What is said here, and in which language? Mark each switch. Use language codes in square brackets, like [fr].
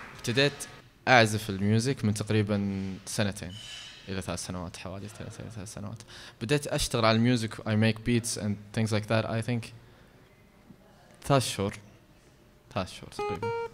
[ar] بدأت أعزف الميوزيك من تقريباً سنتين إلى ثلاث سنوات، حوالي ثلاث إلى ثلاث سنوات. بدأت أشتغل على الميوزيك، [en] I make beats and things like that. I think [ar] ثلاث شهور تقريباً.